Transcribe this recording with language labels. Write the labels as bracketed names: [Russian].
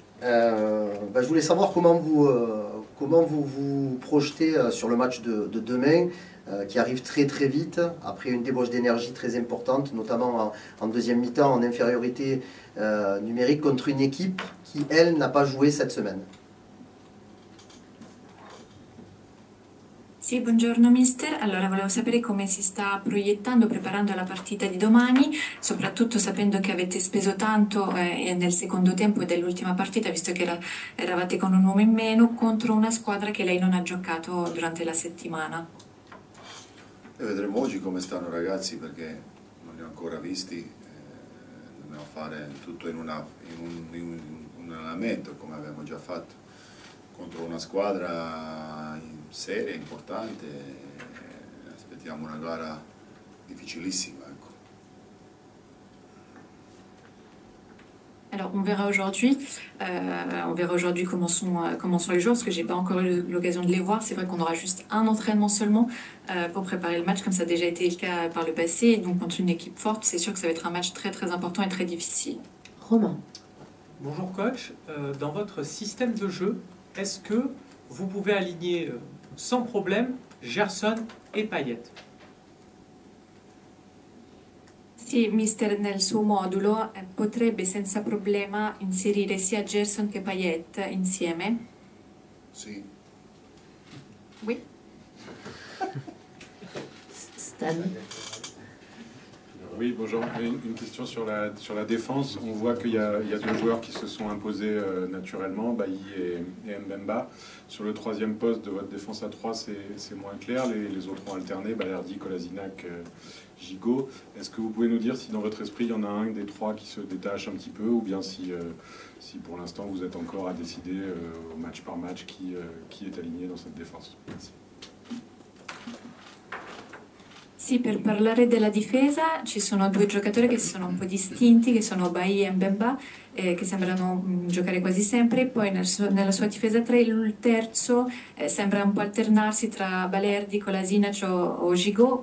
[French] Je voulais savoir comment vous projetez sur le match de demain, qui arrive très très vite, après une débauche d'énergie très importante, notamment en deuxième mi-temps, en infériorité numérique, contre une équipe qui, elle, n'a pas joué cette semaine. [Italian] Sì, buongiorno mister. Allora, volevo sapere come si sta proiettando, preparando la partita di domani, soprattutto sapendo che avete speso tanto nel secondo tempo dell'ultima partita, visto che eravate con un uomo in meno, contro una squadra che lei non ha giocato durante la settimana. E vedremo oggi come stanno i ragazzi, perché non li ho ancora visti. Dobbiamo fare tutto in un allenamento, come abbiamo già fatto, contro una squadra seria, importante. Aspettiamo una gara difficilissima, ecco. [French] Alors, on verra aujourd'hui comment sont les joueurs, parce que j'ai pas encore eu l'occasion de les voir. C'est vrai qu'on aura juste un entraînement seulement pour préparer le match, comme ça a déjà été le cas par le passé. Et donc contre une équipe forte, c'est sûr que ça va être un match très très important et très difficile. Romain. Bonjour coach, dans votre système de jeu, est-ce que vous pouvez aligner sans problème Gerson et Payet? [Italian] Sì, mister, nel suo modulo potrebbe senza problema inserire sia Gerson che Payet insieme? Sì. [French] Oui. Stan. Oui, bonjour. Une question sur la défense. On voit qu'il y a deux joueurs qui se sont imposés naturellement, Bailly et Mbemba. Sur le troisième poste de votre défense à trois, c'est moins clair. Les autres ont alterné, Balerdi, Kolasinac, Gigot. Est-ce que vous pouvez nous dire si dans votre esprit, il y en a un des trois qui se détache un petit peu, ou bien si pour l'instant, vous êtes encore à décider match par match qui est aligné dans cette défense? Merci. [Italian] Sì, per parlare della difesa ci sono due giocatori che sono un po' distinti, che sono Bailly e Mbemba, che sembrano giocare quasi sempre. Poi nella sua difesa 3 il terzo sembra un po' alternarsi tra Balerdi, Kolasinac o Gigot.